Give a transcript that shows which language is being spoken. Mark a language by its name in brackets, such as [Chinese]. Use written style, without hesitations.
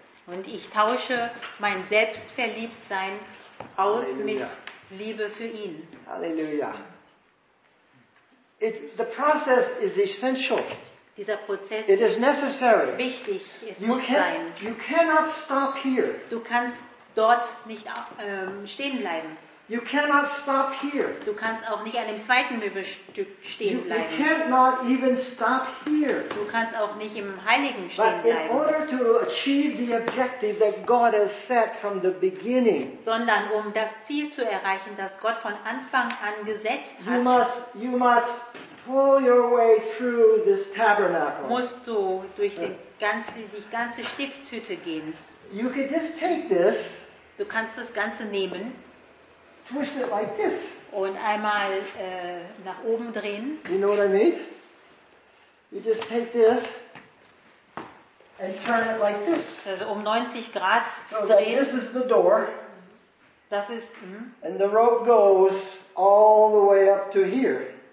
[German] Und ich tausche mein Selbstverliebtsein aus Halleluja. Mit Liebe für ihn. Halleluja. [English] The process is essential. [German] Dieser Prozess [English] it is necessary. [German] Ist wichtig. Es [English] you [German] muss sein. [English] You cannot stop here. [German] Du kannst dort nicht stehen bleiben. [English] You cannot stop here. [German] Du kannst auch nicht an dem zweiten Möbelstück stehen bleiben. [English] You can't not even stop here. [German] Du kannst auch nicht im Heiligen stehen bleiben. [English] But in order to achieve the objective that God has set from the beginning, [German] sondern um das Ziel zu erreichen, das Gott von Anfang an gesetzt hat, [English] you must pull your way through this tabernacle. [German] Musst du durch die ganze Stiftshütte gehen. [English] You could just take this. [German] Du kannst das Ganze nehmen. [English] Twist it like this. [German] Und einmal nach oben drehen. [English] You know what I mean? You just take this and turn it like this. [German] Also um 90 Grad so drehen. [English] So this is the door. [German] Das ist. [English] And the rope goes all the way up to here.